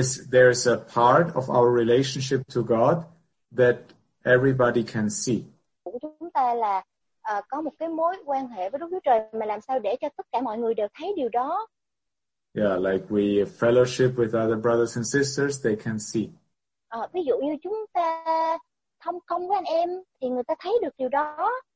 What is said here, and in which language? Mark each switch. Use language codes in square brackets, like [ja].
[en] There is a part of our relationship to God that everybody can see. [vi] Chúng ta là có một cái mối quan hệ với Đức Chúa Trời mà làm sao để cho tất cả mọi người đều thấy điều đó. [en] Yeah, like we fellowship with other brothers and sisters, they can see. [vi] Ví dụ như chúng ta thông công với anh em thì người ta thấy được điều đó.